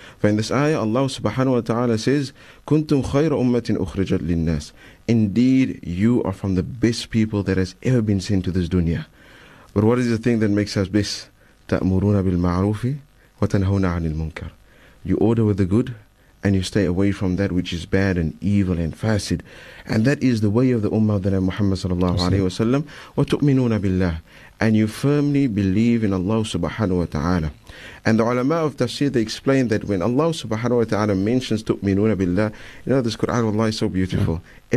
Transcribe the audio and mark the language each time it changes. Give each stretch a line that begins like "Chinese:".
English: For in this ayah, Allah subhanahu wa ta'ala says,
Arabic: كنتم خير أمة أخرجت للناس.
English: Indeed, you are from the best people that has ever been sent to this dunya. But what is the thing that makes us best?
Arabic: تأمرون بالمعروف وتنهون عن المنكر.
English: You order with the good, and you stay away from that which is bad and evil and fasid. And that is the way of the ummah of the Nabi Muhammad sallallahu alayhi wa sallam.
Arabic: وَتُؤْمِنُونَ بِاللَّهِ.
English: And you firmly believe in Allah subhanahu wa ta'ala. And the ulama of tafsir, they explain that when Allah subhanahu wa ta'ala mentions
Arabic: تُؤْمِنُونَ بِاللَّهِ,
English: you know, this Quran of Allah is so beautiful. Yeah.